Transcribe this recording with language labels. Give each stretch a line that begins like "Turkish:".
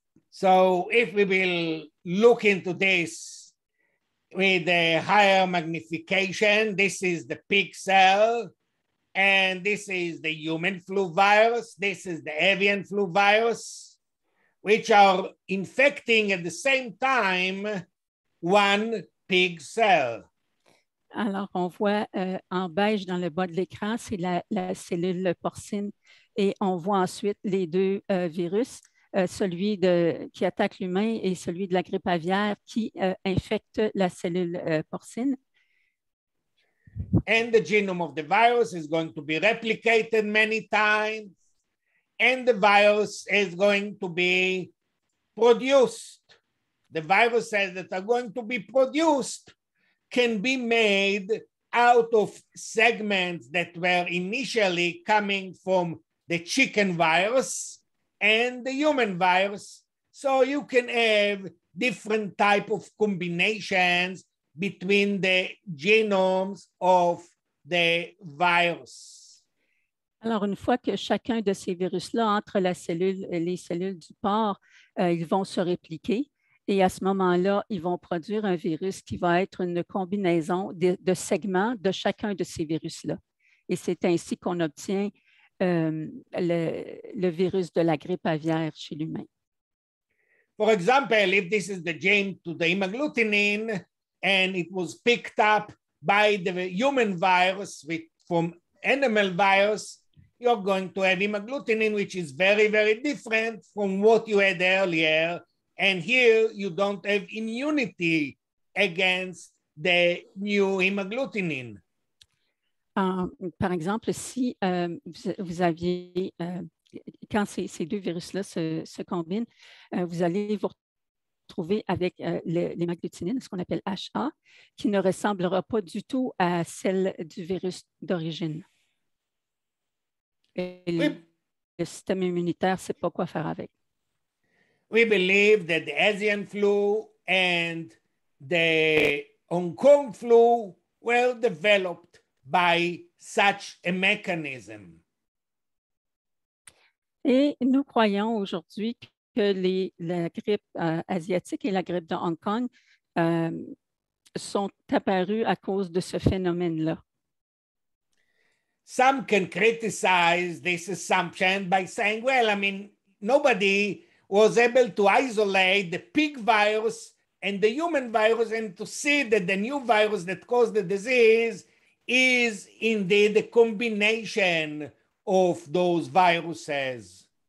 English: So if we will look into this with a higher magnification, this is the pig cell, and this is the human flu virus, this is the avian flu virus, which are infecting at the same time one pig cell.
French: Alors, on voit en beige dans le bas de l'écran, c'est la cellule porcine, et on voit ensuite les deux virus. Celui qui attaque l'humain et celui de la grippe aviaire qui infecte la cellule porcine.
English: And the genome of the virus is going to be replicated many times, and the virus is going to be produced. The viruses that are going to be produced can be made out of segments that were initially coming from the chicken virus and the human virus, so you can have different type of combinations between the genomes of the virus.
French: Alors, une fois que chacun de ces virus-là entre la cellule et les cellules du porc, ils vont se répliquer et à ce moment-là, ils vont produire un virus qui va être une combinaison de segments de chacun de ces virus-là. Et c'est ainsi qu'on obtient le virus de la grippe aviaire chez l'humain.
English: For example, if this is the gene to the hemagglutinin and it was picked up by the human virus from animal virus, you're going to have hemagglutinin, which is very, very different from what you had earlier. And here you don't have immunity against the new hemagglutinin.
French: Par exemple, si vous aviez, quand ces deux virus-là se combinent, vous allez vous retrouver avec l'hémagglutinine, ce qu'on appelle HA, qui ne ressemblera pas du tout à celle du virus d'origine. Et, oui. le système immunitaire ne sait pas quoi faire avec.
English: We believe that the avian flu and the Hong Kong flu were developed by such a mechanism.
French: Et nous croyons aujourd'hui que la grippe asiatique et la grippe de Hong Kong sont apparues à cause de ce phénomène-là.
English: Some can criticize this assumption by saying, well, I mean, nobody was able to isolate the pig virus and the human virus and to see that the new virus that caused the disease is indeed a combination of those viruses.